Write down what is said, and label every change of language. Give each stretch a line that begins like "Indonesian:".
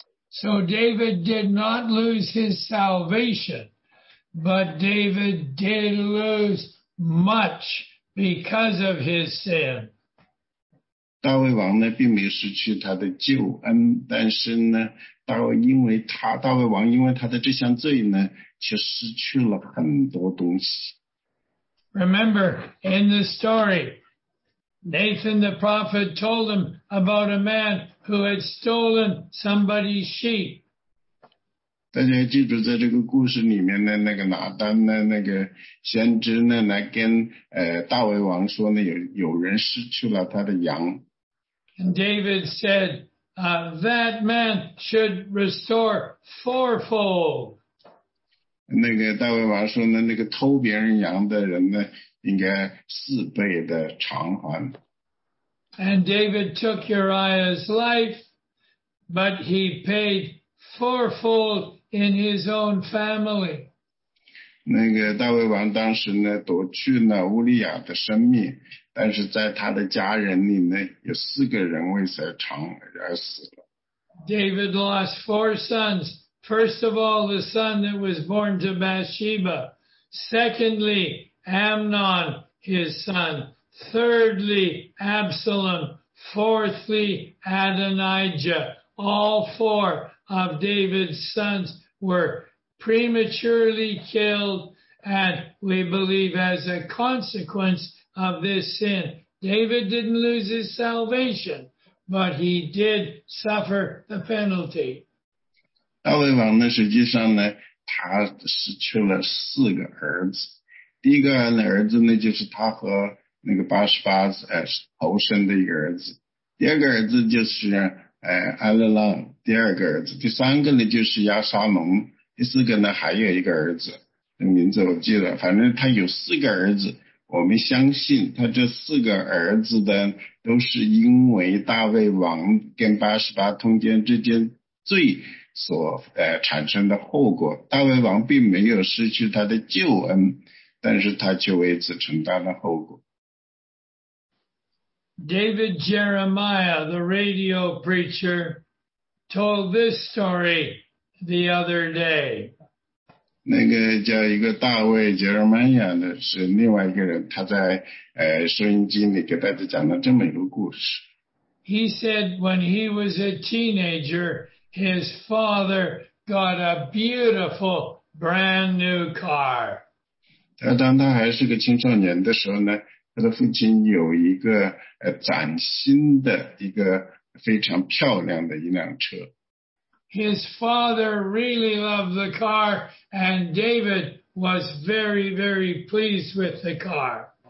English: So David did not lose his salvation, but David did lose much because of his sin.
Chinese: 大卫王呢并没有失去他的救恩，但是呢大卫王因为他的这项罪呢，却失去了很多东西。
English: Remember, in the story, Nathan the prophet told him about a man who had stolen somebody's sheep.
Chinese: 大家记住，在这个故事里面呢，那个拿单呢，那个先知呢，来跟大卫王说呢，有人失去了他的羊。
English: And David said,that man should restore fourfold.
Chinese: 那个大卫王说呢，那个偷别人羊的人呢，应该四倍的偿还。
English: And David took Uriah's life, but he paid fourfold in his own family.
Chinese: 那个大卫王当时呢，夺去了乌利亚的生命。但是在他的家人里呢，有四个人为他偿而死了。
English: David lost four sons. First of all, the son that was born to Bathsheba. Secondly, Amnon, his son. Thirdly, Absalom. Fourthly, Adonijah. All four of David's sons were prematurely killed, and we believe as a consequence. Of this sin. David didn't lose his salvation, but he did suffer the penalty.
Chinese: 大卫王呢，实际上呢，他失去了四个儿子。第一个儿子呢，就是他和那个八十八头生的一个儿子。第二个儿子就是埃勒浪，第二个儿子。第三个呢，就是亚沙龙。第四个呢，还有一个儿子，名字我记得，反正他有四个儿子。我们相信他这四个儿子的都是因为大卫王跟八十八通奸之间罪所产生的后果。大卫王并没有失去他的救恩，但是他却为此承担了后果。
English: David Jeremiah, the radio preacher, told this story the other day.
Chinese: 那个叫一个大卫杰尔曼亚的是另外一个人，他在收音机里给大家讲了这么一个故事。
English: He said when he was a teenager, his father got a beautiful brand new car.
Chinese: 他当他还是个青少年的时候呢，他的父亲有一个崭新的一个非常漂亮的一辆车。
English: His father really loved the car, and David was very, very pleased with the car.